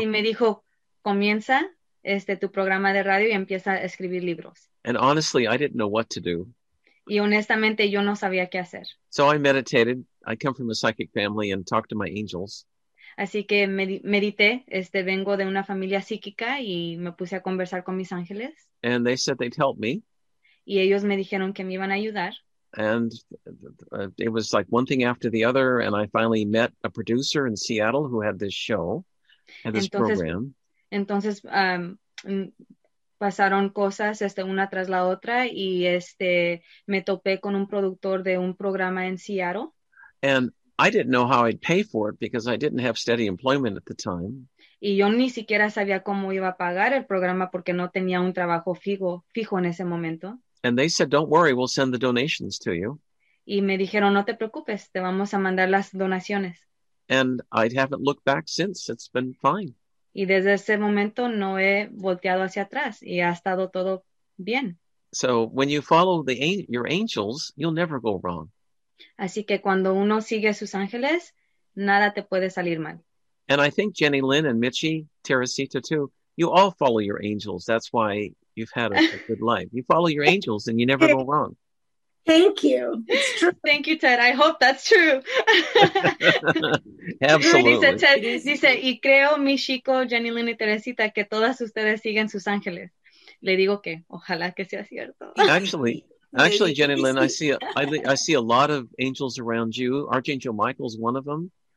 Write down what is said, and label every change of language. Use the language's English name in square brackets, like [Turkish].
[Spanish] y me dijo, comienza tu programa de radio y empieza a escribir libros. [English] And honestly, I didn't know what to do. [Spanish] Y honestamente, yo no sabía qué hacer. [English] So I meditated. I come from a psychic family and talked to my angels. [Spanish] Así que medité. Vengo de una familia psíquica y me puse a conversar con mis ángeles. [English] And they said they'd help me. [Spanish] Y ellos me dijeron que me iban a ayudar. [English] And it was like one thing after the other. And I finally met a producer in Seattle who had this show and this program. [Spanish] Entonces, pasaron cosas una tras la otra y me topé con un productor de un programa en Seattle. [English] And I didn't know how I'd pay for it because I didn't have steady employment at the time. [Spanish] Y yo ni siquiera sabía cómo iba a pagar el programa porque no tenía un trabajo fijo en ese momento. [English] And they said, don't worry, we'll send the donations to you. [Spanish] Y me dijeron, no te preocupes, te vamos a mandar las donaciones. [English] And I haven't looked back since, it's been fine. [Spanish] Y desde ese momento no he volteado hacia atrás y ha estado todo bien. [English] So when you follow your angels, you'll never go wrong. [Spanish] Así que cuando uno sigue sus ángeles, nada te puede salir mal. [English] And I think Jenny Lynn and Michi, Teresita too, you all follow your angels. That's why you've had a good life. You follow your angels and you never go wrong. Thank you. It's true. Thank you, Ted. I hope that's true. Absolutely. [Spanish] Dice, Ted, dice, y creo, mi chico, Jenny Lynn y Teresita, que todas ustedes siguen sus ángeles. Le digo que ojalá que sea cierto. [English] Actually, Jenny Lynn, I see a lot of angels around you. Archangel Michael's one of them.